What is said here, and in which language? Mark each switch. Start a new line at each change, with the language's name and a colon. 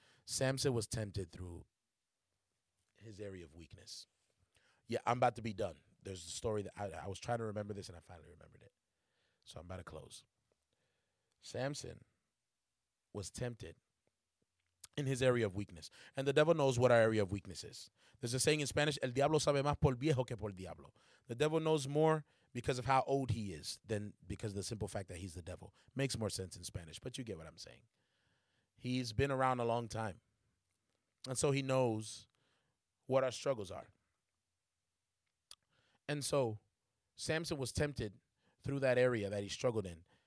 English: Samson was tempted through his area of weakness. Yeah, I'm about to be done. There's a story that I was trying to remember this, and I finally remembered it. So I'm about to close. Samson was tempted in his area of weakness. And the devil knows what our area of weakness is. There's a saying in Spanish,
Spanish: el diablo sabe más por viejo que por diablo.
English: The devil knows more because of how old he is than because of the simple fact that he's the devil. Makes more sense in Spanish, but you get what I'm saying. He's been around a long time. And so he knows what our struggles are. And so Samson was tempted through that area that he struggled in.